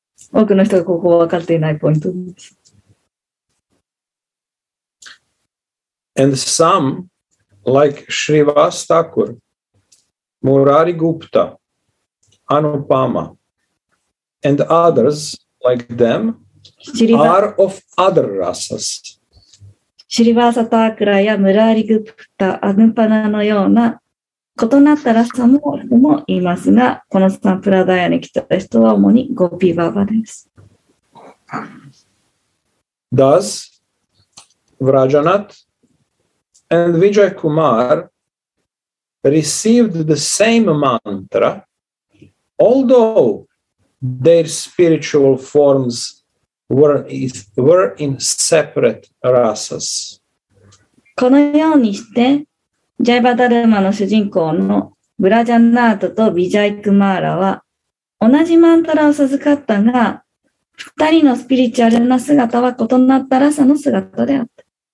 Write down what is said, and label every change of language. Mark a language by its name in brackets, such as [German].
[Japanese] 多くの人がここは分かっていないポイントです。 [English] And some, like Srivas Thakur, Murari Gupta, Anupama, and others like them, are of other rasas. [Japanese] Srivas Thakur and Murari Gupta, Anupama のような異なったラサも人もいますが、このサンプラダイヤに来た人は主にゴピバーバです。 [English] Thus, Vrajanat,And Vijay Kumar received the same mantra, although their spiritual forms were in separate rasas. [Japanese] このようにして、ジャイバダルマの主人公のブラジャナートとビジャイクマーラは同じマントラを授かったが、二人のスピリチュアルな姿は異なったラサの姿であった。